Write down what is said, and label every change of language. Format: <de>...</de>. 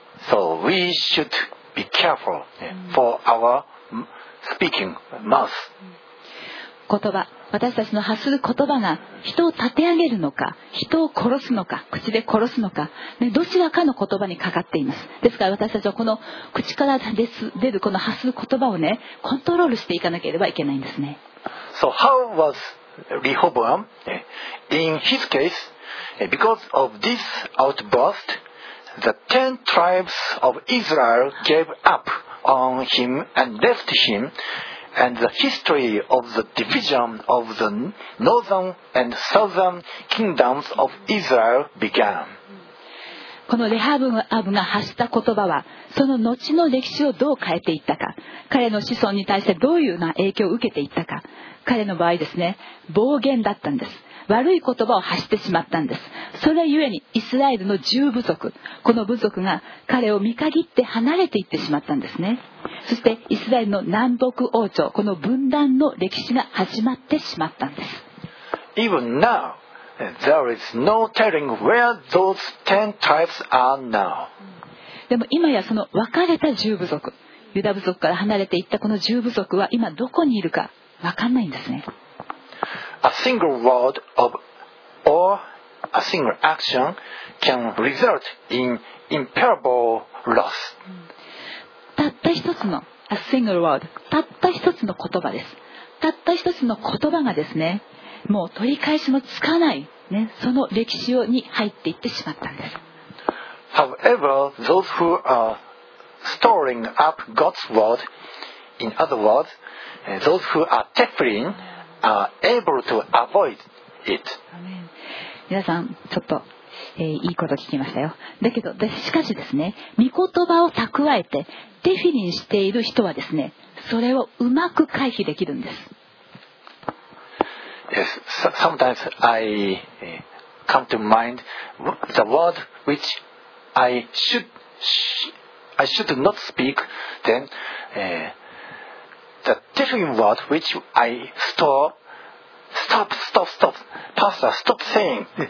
<en>So we should be careful for our speaking mouth.</en> <ja>言葉、私たちの発する言葉が人を立て上げるのか、人を殺すのか、口で殺すのか、ね、どちらかの言葉にかかっています。ですから私たちはこの口から出るこの発する言葉をね、コントロールしていかなければいけないんですね。</ja> <en>So how was Rehoboam? In his case, because of this outburst, the 10 tribes of Israel gave up on him and left him, and the history of the division of the northern and southern kingdoms of Israel began.</en> <ja>このレハブアブが発した言葉は、その後の歴史をどう変えていったか、彼の子孫に対してどういうような影響を受けていったか、彼の場合ですね、暴言だったんです。悪い言葉を発してしまったんです。それゆえにイスラエルの十部族、この部族が彼を見限って離れていってしまったんですね。そしてイスラエルの南北王朝、この分断の歴史が始まってしまったんです。</ja> <en>Even now there is no telling where those ten tribes are now.</en> <ja>でも今やその分かれた十部族、ユダ部族から離れていったこの十部族は今どこにいるか分かんないんですね。</ja> <en>A single word of or a single action can result in imperishable loss.</en> <ja>たった一つの</ja> <en>a single word、</en> <ja>たった一つの言葉です。たった一つの言葉がですね、もう取り返しのつかない、ね、その歴史に入っていってしまったんです。</ja> <en>However, those who are storing up God's word, in other words, those who are tefillin, are able to avoid it.</en> <ja>皆さん、ちょっと、いいこと聞きましたよ。だけど、しかしですね、御言葉を蓄えてテフィリンしている人はですね、それをうまく回避できるんです。</ja> <en>Yes, sometimes I come to mind the word which I should not speak, then the different word which I store, stop, pastor, stop saying.</en>